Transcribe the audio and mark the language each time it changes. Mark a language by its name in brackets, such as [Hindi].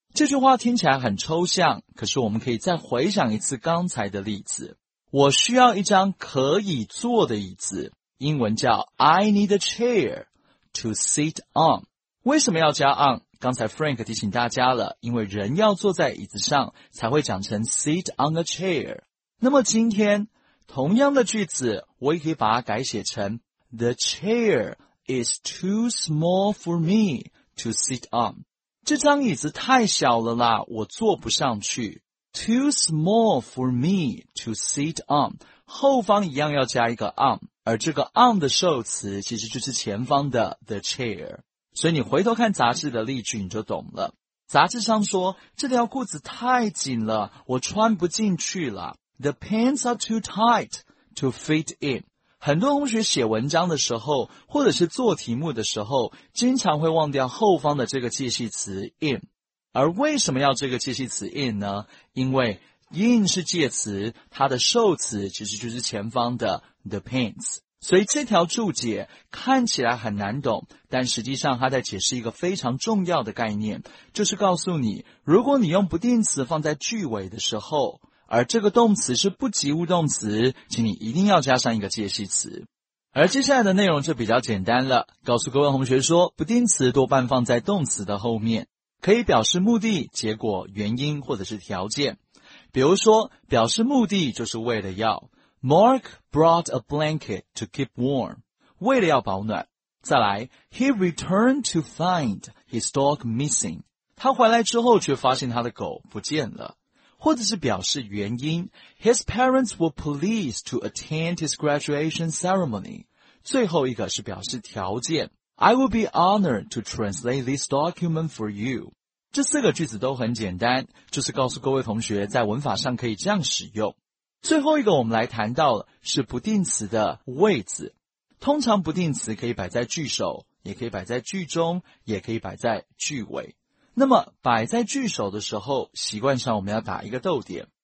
[Chinese] 这句话听起来很抽象，可是我们可以再回想一次刚才的例子。我需要一张可以坐的椅子，英文叫 [English] I need a chair to sit on。 [Chinese] 为什么要加 on？ 刚才 Frank 提醒大家了，因为人要坐在椅子上才会讲成 [English] sit on a chair。 [Chinese] 那么今天同样的句子我也可以把它改写成 [English] The chair is too small for me to sit on。 [Chinese] 这张椅子太小了啦，我坐不上去。 [English] Too small for me to sit on， [Chinese] 后方一样要加一个 on， 而这个 on 的受词其实就是前方的 the chair。所以你回头看杂志的例句你就懂了。杂志上说，这条裤子太紧了，我穿不进去了。 [English] The pants are too tight to fit in。 [Chinese] 很多同学写文章的时候或者是做题目的时候经常会忘掉后方的这个介系词 in。而为什么要这个介系词 in 呢？因为 in 是介词，它的受词其实就是前方的 the pants。所以这条注解看起来很难懂，但实际上它在解释一个非常重要的概念，就是告诉你，如果你用不定词放在句尾的时候，而这个动词是不及物动词，请你一定要加上一个介系词。而接下来的内容就比较简单了，告诉各位同学说，不定词多半放在动词的后面，可以表示目的、结果、原因或者是条件。比如说表示目的就是为了要， [English] Mark brought a blanket to keep warm， [Chinese] 为了要保暖。再来， [English] He returned to find his dog missing， [Chinese] 他回来之后却发现他的狗不见了。或者是表示原因， [English] His parents were pleased to attend his graduation ceremony。 [Chinese] 最后一个是表示条件， [English] I will be honored to translate this document for you。 [Chinese] 这四个句子都很简单，就是告诉各位同学在文法上可以这样使用。最后一个我们来谈到的是不定词的位置。通常不定词可以摆在句首，也可以摆在句中，也可以摆在句尾。那么摆在句首的时候，习惯上我们要打一个逗点。